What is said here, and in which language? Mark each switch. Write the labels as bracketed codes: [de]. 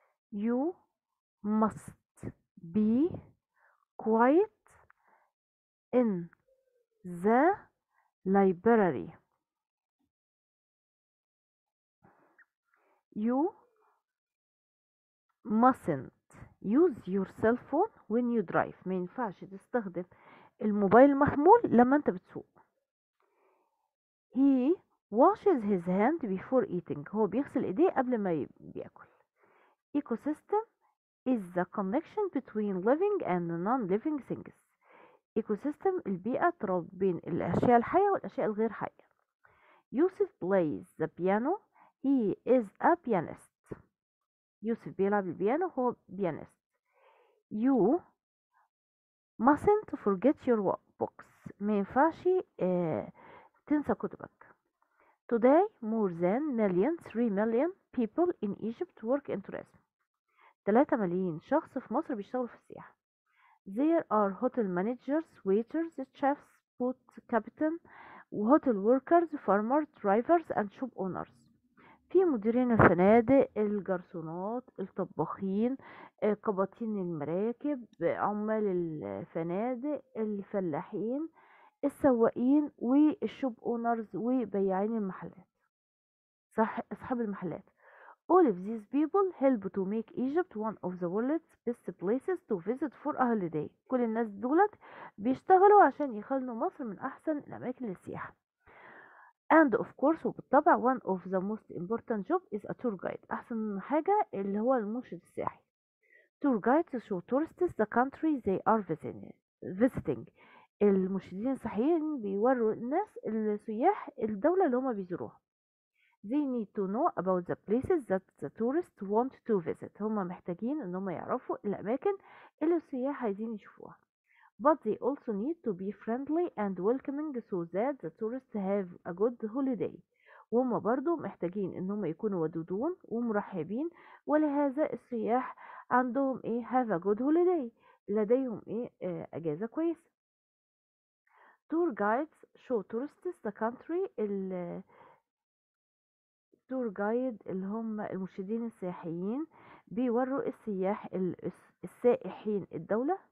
[en] You must be quiet in the library. You mustn't use your cell phone when you drive. [ar] ما ينفعش تستخدم الموبايل المحمول لما انت بتسوق. [en] He washes his hand before eating. [ar] هو بيغسل ايديه قبل ما بياكل. [en] Ecosystem is the connection between living and non-living things. [ar] Ecosystem البيئة ترابط بين الأشياء الحية والأشياء الغير حية. [en] Yusuf plays the piano. He is a pianist. [ar] يوسف بيلعب البيانو هو بيانست. You mustn't forget your books. ما ينفعش تنسى كتبك. [en] Today more than 3 million people in Egypt work in tourism. [ar] 3 مليون شخص في مصر بيشتغلوا في السياحة. [en] There are hotel managers, waiters, chefs, boat captain, hotel workers, farmers, drivers and shop owners. [ar] في مديرين الفنادق، الجرسونات، الطباخين، قباطين المراكب، عمال الفنادق، الفلاحين، السواقين، والشوب اونرز، وبياعين المحلات، اصحاب المحلات. [en] All of these people help to make Egypt one of the world's best places to visit for a holiday. [ar] كل الناس دولت بيشتغلوا عشان يخلوا مصر من احسن الاماكن للسياحة. [en] And of course, وبالطبع, one of the most important job is a tour guide. [ar] أحسن حاجة اللي هو المرشد السياحي. [en] Tour guides show tourists the country they are visiting. [ar] المرشدين السياحيين بيوروا الناس السياح الدولة اللي هما بيزوروها. [en] They need to know about the places that the tourists want to visit. [ar] هما محتاجين ان هما يعرفوا الأماكن اللي السياح عايزين يشوفوها. [en] But they also need to be friendly and welcoming so that the tourists have a good holiday. [ar] وهم برضو محتاجين ان هم يكونوا ودودون ومرحبين، ولهذا السياح عندهم ايه have a good holiday، لديهم ايه اجازة كويسة. tour guides show tourists the country، التور جايد اللي هم المرشدين السياحيين بيوروا السياح السائحين الدولة.